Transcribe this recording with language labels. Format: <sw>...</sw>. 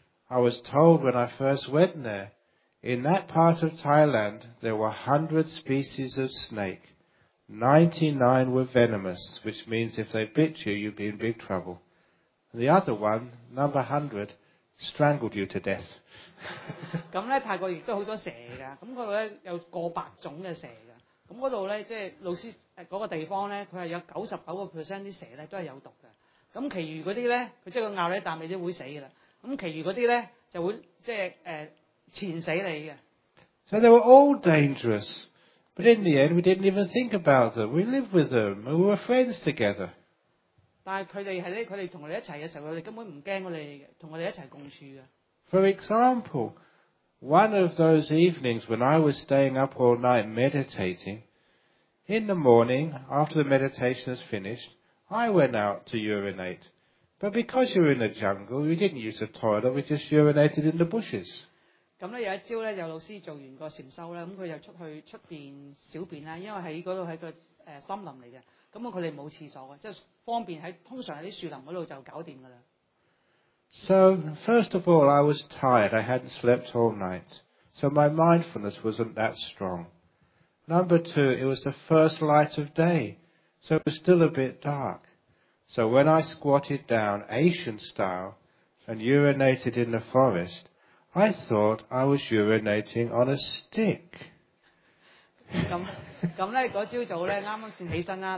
<en>I was told when I first went there, in that part of Thailand, there were 100 species of snake. 99 were venomous, which means if they bit you, you'd be in big trouble. The other one, number 100, strangled you to death.</en> <yue>咁咧，泰國亦都好多蛇噶。咁佢咧有過百種嘅蛇噶。咁嗰度咧，即係老師嗰個地方咧，佢係有99% 啲蛇咧都係有毒嘅。咁其餘嗰啲咧，佢即係個咬你啖，你都會死噶啦。咁其餘嗰啲咧就會即係纏死你嘅。</yue> <en>So they were all dangerous. But in the end, we didn't even think about them. We lived with them. We were friends together.</en> <yue>但佢哋係咧，佢哋同我哋一齊嘅時候，佢哋根本唔驚我哋，同我哋一齊共處嘅。</yue> <en>For example, one of those evenings when I was staying up all night meditating, in the morning after the meditation is finished, I went out to urinate. But because you're in the jungle, you didn't use a toilet. We just urinated in the bushes.</en> <yue>咁咧有一朝咧，有老師做完個禪修咧，咁佢就出去出邊小便啦，因為喺嗰度喺個森林嚟嘅，咁佢哋冇廁所嘅，即係方便喺通常喺啲樹林嗰度就搞掂噶啦。</yue> <en>So first of all, I was tired. I hadn't slept all night, so my mindfulness wasn't that strong. Number two, it was the first light of day, so it was still a bit dark. So when I squatted down Asian style and urinated in the forest. I thought I was urinating on a stick.</en> <yue>咁咧，嗰朝早咧，啱啱先起身啦。</yue>